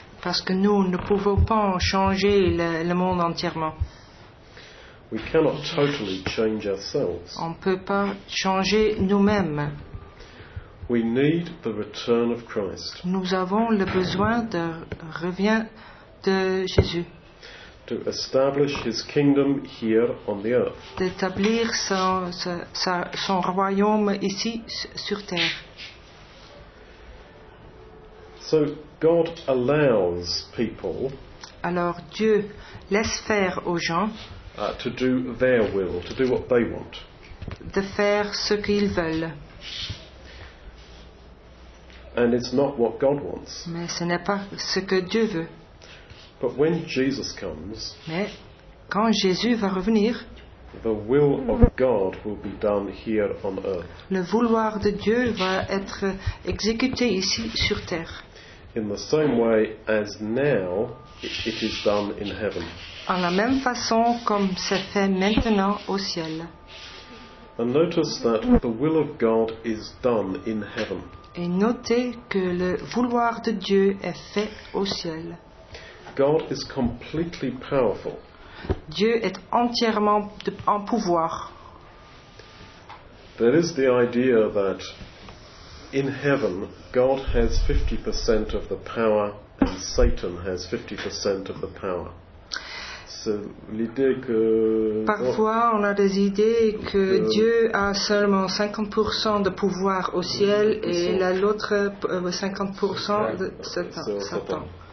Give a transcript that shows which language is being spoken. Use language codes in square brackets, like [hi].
[fr] Parce que nous ne pouvons pas changer le monde entièrement. [en] We cannot totally change ourselves. [fr] On ne peut pas changer nous-mêmes. [en] We need the return of Christ. [fr] Nous avons le besoin de revient de Jésus. [en] To establish his kingdom here on the earth. [fr] D'établir son royaume ici sur terre. [en] So God allows people. [fr] Alors Dieu laisse faire aux gens. [en] To do their will, to do what they want. [fr] De faire ce qu'ils veulent. [en] And it's not what God wants. [fr] Mais ce n'est pas ce que Dieu veut. [en] But when Jesus comes, [fr] mais quand Jésus va revenir, [en] the will of God will be done here on earth. [fr] Le vouloir de Dieu va être exécuté ici sur terre. [en] In the same way as now, it is done in heaven. [fr] En la même façon comme c'est fait maintenant au ciel. [en] And notice that the will of God is done in heaven. [fr] Et notez que le vouloir de Dieu est fait au ciel. [en] God is completely powerful. [fr] Dieu est entièrement en pouvoir. [en] There is the idea that in heaven, God has 50% of the power and Satan has 50% of the power. [fr] C'est l'idée que parfois on a des idées que Dieu a seulement 50% de pouvoir au ciel et l'autre 50% de Satan.